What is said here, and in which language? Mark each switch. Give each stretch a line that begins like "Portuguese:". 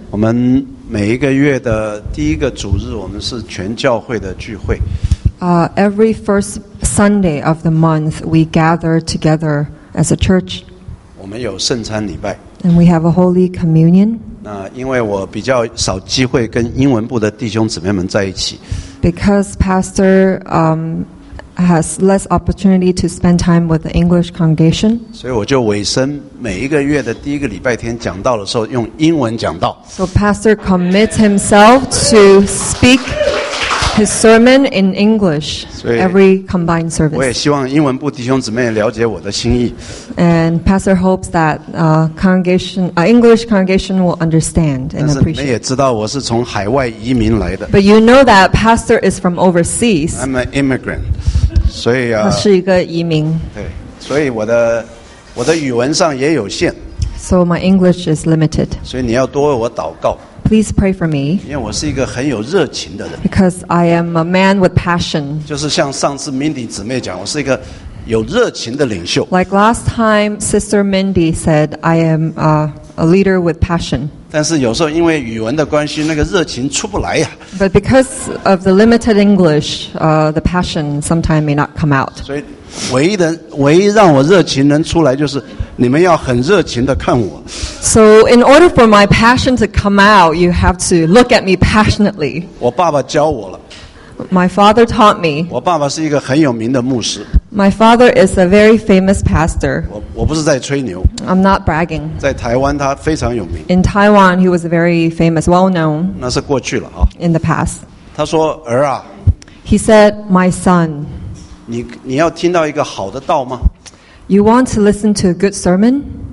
Chinese: 我们每一个月的第一个主日，我们是全教会的聚会。
English: Every first Sunday of the month, we gather together as a church.
Chinese: 我们有圣餐礼拜。
English: And we have a Holy Communion.
Chinese: 那因为我比较少机会跟英文部的弟兄姊妹们在一起。
English: Because Pastor has less opportunity to spend time with the English congregation.
Chinese: 所以我就尾声每一个月的第一个礼拜天讲道的时候用英文讲道。
English: So Pastor commits himself to speak his sermon in English every combined service.
Chinese: 我也希望英文部弟兄姊妹了解我的心意。
English: And Pastor hopes that English congregation will understand and appreciate.
Chinese: 但是你们也知道我是从海外移民来的。
English: But you know that Pastor is from overseas. I'm an immigrant.
Chinese: 所以啊，是一个移民。对，所以我的语文上也有限。
English: So my English is limited.
Chinese: 所以你要多为我祷告。
English: Please pray for me.
Chinese: 因为我是一个很有热情的人。
English: Because I am a man with passion.
Chinese: 就是像上次 Mindy 姊妹讲，我是一个有热情的领袖。
English: Like last time, Sister Mindy said, I am a leader with passion.
Chinese: 但是有时候因为语文的关系，那个热情出不来呀。
English: But because of the limited English, the passion sometimes may not come out.
Chinese: 所以唯一让我热情能出来，就是你们要很热情地看我。
English: So in order for my passion to come out, you have to look at me passionately.
Chinese: 我爸爸教我了。
English: My father taught me.
Chinese: 我爸爸是一个很有名的牧师。
English: My father is a very famous pastor.
Chinese: 我不是在吹牛。
English: I'm not bragging.
Chinese: 在台湾他非常有名。
English: In Taiwan, he was very famous, well known.
Chinese: 那是过去了啊。
English: In the past.
Chinese: 他说儿啊。
English: He said, my son.
Chinese: 你要听到一个好的道吗？
English: You want to listen to a good sermon?